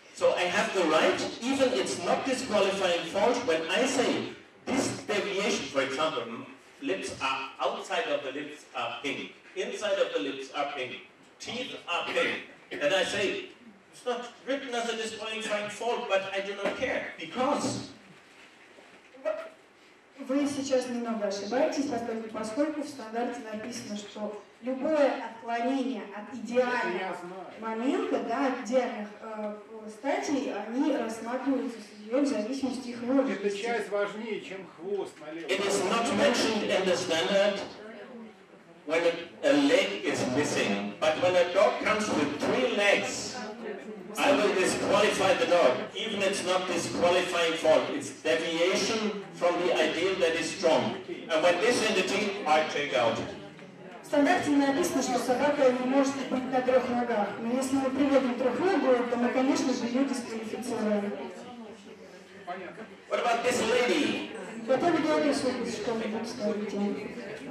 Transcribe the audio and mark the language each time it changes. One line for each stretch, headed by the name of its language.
English: So I have the right, even it's not disqualifying fault, when I say this deviation, for example, lips are outside of the lips are pink, inside of the lips are pink, teeth are pink, and I say, it's not written as a disqualifying fault, but I do not care, because...
Russian: Вы сейчас немного ошибаетесь, поскольку в стандарте написано, что любое отклонение от идеальных моментов, да, от идеальных статей, они рассматриваются судьей в зависимости от их роли. Это часть важнее, чем хвост налево.
English: It is not mentioned in the standard when a leg is missing, but when a dog comes with three legs, I will disqualify the dog, even it's not disqualifying fault, it's deviation from the ideal that is strong. And when this entity, I take out.
Russian: В стандарте написано, что собака не может быть на трех ногах. Но если мы приводим трехногую, то мы, конечно же, ее дисквалифицируем.
English: What about this lady?
Russian: Потом я не могу что-нибудь сказать.